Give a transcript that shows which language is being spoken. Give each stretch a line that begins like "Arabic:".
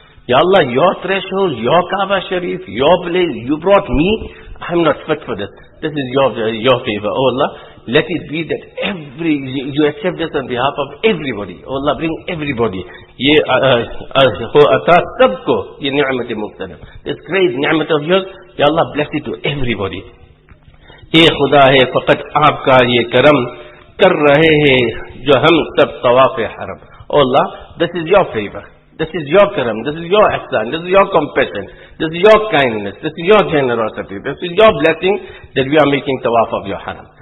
English: Ya Allah, your threshold, your Kaaba Sharif, your place, you brought me. I'm not fit for this. This is your favor. Oh Allah, let it be that every you accept this on behalf of everybody. Oh Allah, bring everybody.
Urdu: Ye sabko ye ni'mat muqtanim.
English: This great ni'mat of yours, Ya Allah, bless it to everybody.
Urdu: اے خدا ہے فقط آپ کا یہ کرم کر رہے ہیں جو ہم سب طواف حرم.
English: Oh Allah, this is your favor. This is your karam, this is your ihsan, this is your compassion, this is your kindness, this is your generosity, this is your blessing that we are making tawaf of your haram.